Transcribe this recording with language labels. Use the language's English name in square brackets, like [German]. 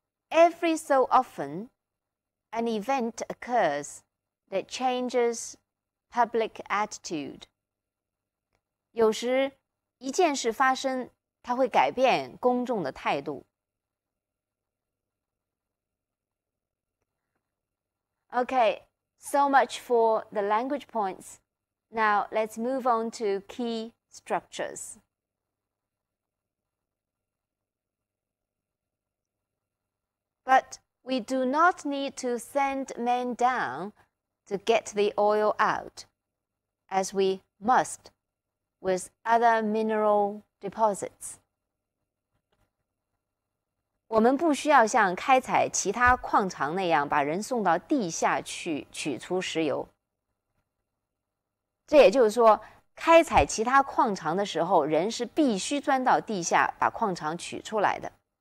[English] Every so often, an event occurs that changes public attitude. [Chinese] 有时一件事发生，它会改变公众的态度。 [English] Okay, so much for the language points. Now let's move on to key structures. But we do not need to send men down to get the oil out, as we must with other mineral deposits. [Chinese] 我们不需要像开采其他矿场那样把人送到地下去取出石油。这也就是说，开采其他矿场的时候，人是必须钻到地下把矿场取出来的。